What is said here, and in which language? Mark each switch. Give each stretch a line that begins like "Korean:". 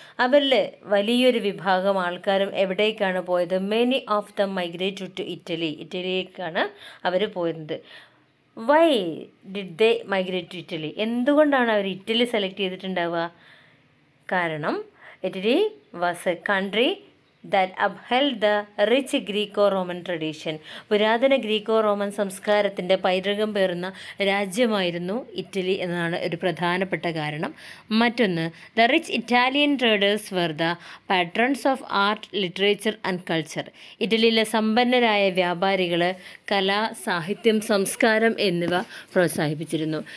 Malayalam: അവരിൽ വലിയൊരു വിഭാഗം ആൾക്കാരും എവിടേക്കാണ് പോയത്?
English: Many of them migrate to Italy.
Malayalam: ഇറ്റലിയിലേക്കാണ് അവർ പോയിരുന്നത്.
English: Why did they migrate Italy?
Malayalam: എന്തുകൊണ്ടാണ് അവർ ഇറ്റലി സെലക്ട് ചെയ്തിട്ടുണ്ടാവുക? കാരണം
English: Italy was a country that upheld the rich Greco-Roman tradition.
Malayalam: പുരാതന ഗ്രീക്കോ റോമൻ സംസ്കാരത്തിൻ്റെ പൈതൃകം പേർന്ന രാജ്യമായിരുന്നു ഇറ്റലി എന്നാണ് ഒരു പ്രധാനപ്പെട്ട കാരണം. മറ്റൊന്ന്,
English: The rich Italian traders were the patrons of art literature and culture.
Malayalam: ഇറ്റലിയിലെ സമ്പന്നരായ വ്യാപാരികൾ കല, സാഹിത്യം, സംസ്കാരം എന്നിവ പ്രോത്സാഹിപ്പിച്ചിരുന്നു.